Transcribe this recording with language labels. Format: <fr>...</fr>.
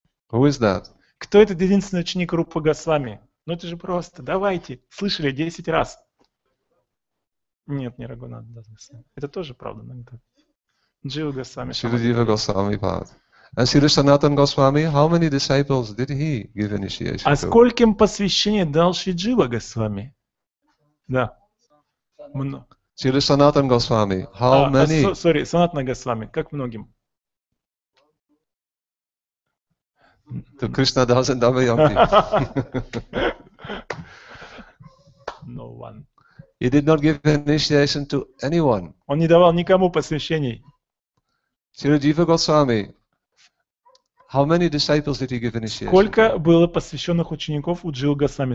<en>Who is that?</en> <ru>Кто этот единственный ученик Рупы Госвами? Ну это же просто. Давайте. Слышали 10 раз. Нет, не Рагунат Дасгасвами. Это тоже правда, но не так. Джива Госвами. Шри Джива Госвами Пад.</ru> <en>And Sri Sanatan Goswami, how many disciples did he give initiation to?</en> <ru>А скольким посвящение дал Шри Джива Госвами? Да.</ru> <en>Srila Sanatan Goswami, how many? Sorry,</en> <ru>Sanatan Goswami, как многим?</ru> <en>To Krishna Das and Damayanti. No one. He did not give initiation to anyone.</en> <ru>Он не давал никому посвящений.</ru> <en>Srila Jiva Goswami, how many disciples did he give initiation?</en> <ru>Сколько было посвященных учеников у Джива Госвами?</ru>